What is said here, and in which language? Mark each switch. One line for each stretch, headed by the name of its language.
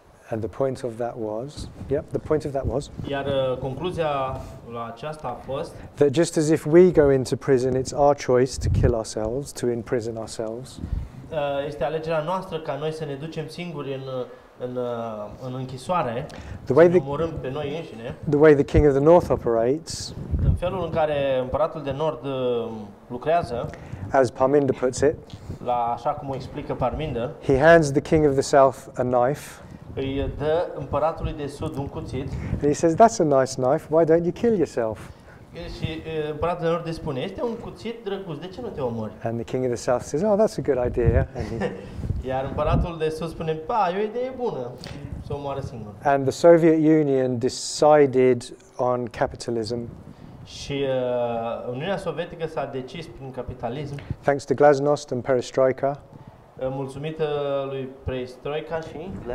English: And the point of that was, yep, the point of that was,
Romanian: iar concluzia la aceasta a fost,
English: that just as if we go into prison, it's our choice to kill ourselves, to imprison ourselves.
Romanian: Este alegerea noastră ca noi să ne ducem singuri în în închisoare,
English: the way
Romanian: ne omorâm pe noi înșine,
English: the way the king of the north operates,
Romanian: în felul în care împăratul de nord lucrează,
English: as Parminder puts it,
Romanian: la așa cum o explică Parminder,
English: he hands the king of the south a knife,
Romanian: îi dă împăratului de sud un cuțit,
English: and he says, that's a nice knife, why don't you kill yourself?
Romanian: Și împăratul de nord spune, este un cuțit drăguț, de ce nu te omori?
English: And the king of the south says, oh, that's a good idea.
Romanian: Iar împăratul de sud spune, ba, e o idee bună, să omoare singur.
English: And the Soviet Union decided on capitalism.
Romanian: Și Uniunea Sovietică s-a decis prin capitalism.
English: Thanks to glasnost and perestroika.
Romanian: Mulțumită lui perestroika și